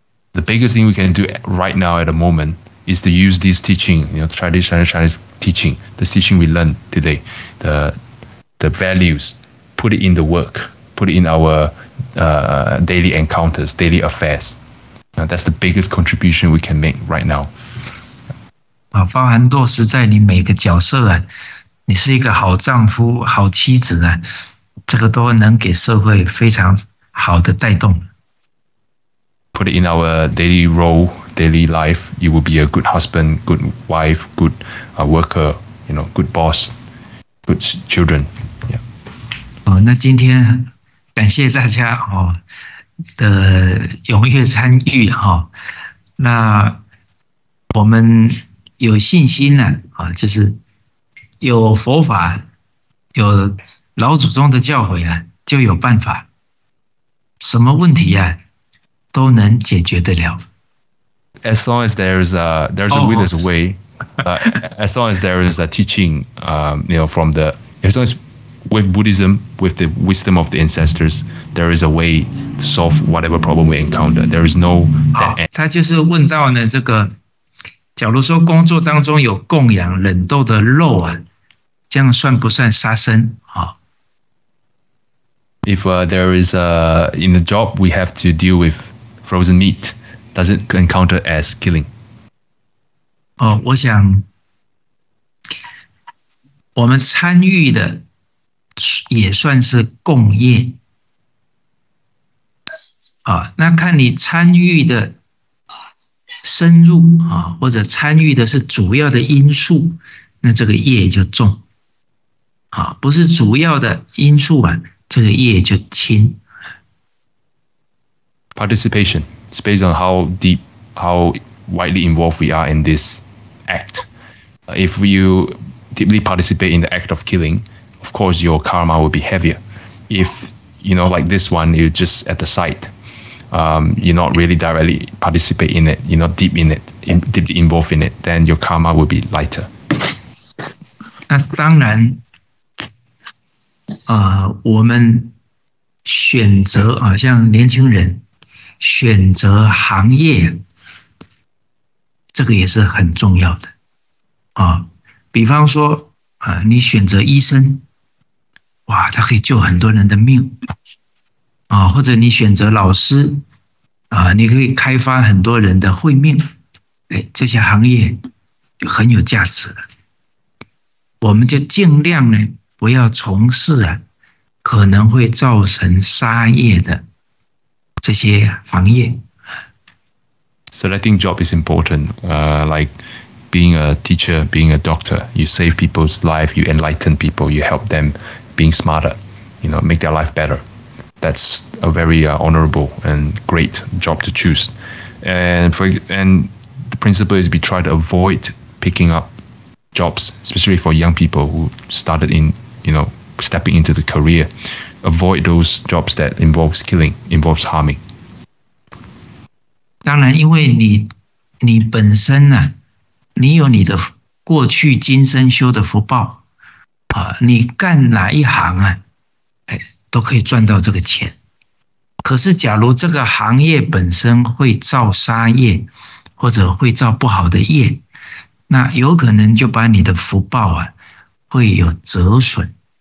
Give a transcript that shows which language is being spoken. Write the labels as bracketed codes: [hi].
[en] The biggest thing we can do right now at the moment is to use this teaching, traditional Chinese teaching, this teaching we learned today, the values, put it in the work, put it in our daily encounters, daily affairs. That's the biggest contribution we can make right now. [zh] 包含落实在你每个角色啊。你是一个好丈夫、好妻子呢，这个都能给社会非常好的带动。 [en] Put it in our daily role, daily life, you will be a good husband, good wife, good worker, good boss, good children. Yeah. [zh] 哦，那今天感谢大家哦的踊跃参与哈、哦，那我们有信心呢啊，就是。有佛法，有老祖宗的教诲啊，就有办法。什么问题啊，都能解决得了。 [en] As long as there's a way, as long as there is a teaching, from the as long as with Buddhism, with the wisdom of the ancestors, there is a way to solve whatever problem we encounter. There is no dead end. [zh] 他就是问到呢这个。假如说工作当中有供养冷冻的肉啊，这样算不算杀生啊、哦、 [en] ？If there is a in the job we have to deal with frozen meat, does it encounter as killing? [zh] 哦，我想我们参与的也算是供业啊、哦，那看你参与的。深入啊，或者参与的是主要的因素，那这个业就重啊；不是主要的因素啊，这个业就轻。 [en] Participation is based on how deep, how widely involved we are in this act. If you deeply participate in the act of killing, of course your karma will be heavier. If like this one, you're just at the site. You're not really directly participate in it, you're not deep in it, deeply involved in it, then your karma will be lighter. [zh] 那当然我们选择好像年轻人选择行业这个也是很重要的。比方说你选择医生哇他可以救很多人的命。或者你选择老师你可以开发很多人的慧命，这些行业很有价值。我们就尽量呢，不要从事啊，可能会造成杀业的这些行业。 [en] Selecting job is important. Like being a teacher, being a doctor, you save people's life, you enlighten people, you help them being smarter, make their life better. That's a very honorable and great job to choose. And the principle is we try to avoid picking up jobs, especially for young people who started in, stepping into the career. Avoid those jobs that involves killing, involves harming. [zh] 当然因为你本身啊，你有你的过去今生修的福报，你干哪一行啊？都可以赚到这个钱。可是假如这个行业本身会造杀业或者会造不好的业那有可能就把你的福报啊会有折损。